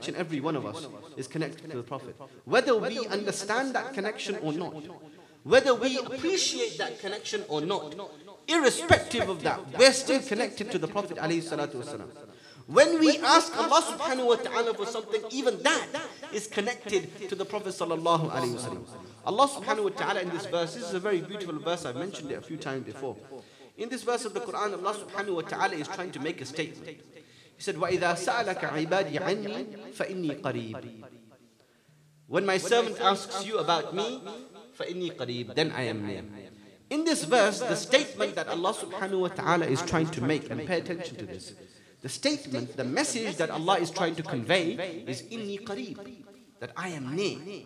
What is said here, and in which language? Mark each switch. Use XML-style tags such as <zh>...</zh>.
<en>Each and every one of us is connected to the Prophet. Whether we understand that connection or not, whether we appreciate that connection or not, irrespective of that, we're still connected to the Prophet alayhi salatu wasalam. When we ask Allah subhanahu wa ta'ala for something, even that is connected to the Prophet sallallahu alayhi wa sallam. Allah subhanahu wa ta'ala in this verse, this is a very beautiful verse, I've mentioned it a few times before. In this verse of the Quran, Allah subhanahu wa ta'ala is trying to make a statement. He said,</en> <ar>وَإِذَا سَأَلَكَ عِبَادِي عَنِّي فَإِنِّي قَرِيبٍ.</ar> <en>When my servant asks you about me,</en> <ar>فَإِنِّي قَرِيبٍ,</ar> <en>then I am near. In this verse, the statement that Allah subhanahu wa ta'ala is trying to make, and pay attention to this, the statement, the message that Allah is trying to convey is inni qareeb, that I am near.</en>